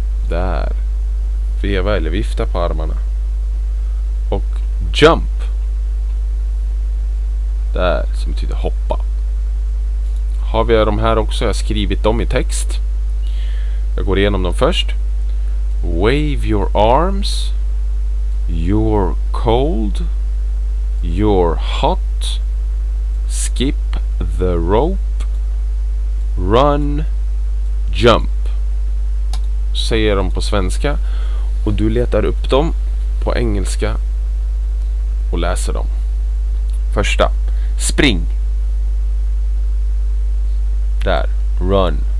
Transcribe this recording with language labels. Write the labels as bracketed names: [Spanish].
[Swedish] Där. Veva eller vifta på armarna. Och jump. Där som betyder hoppa. Har vi de här också? Jag har skrivit dem i text. Jag går igenom dem först. [English] Wave your arms, you're cold, you're hot, skip the rope, run, jump. [Swedish] Säger de på svenska och du letar upp dem på engelska och läser dem. Första, spring. Där, run.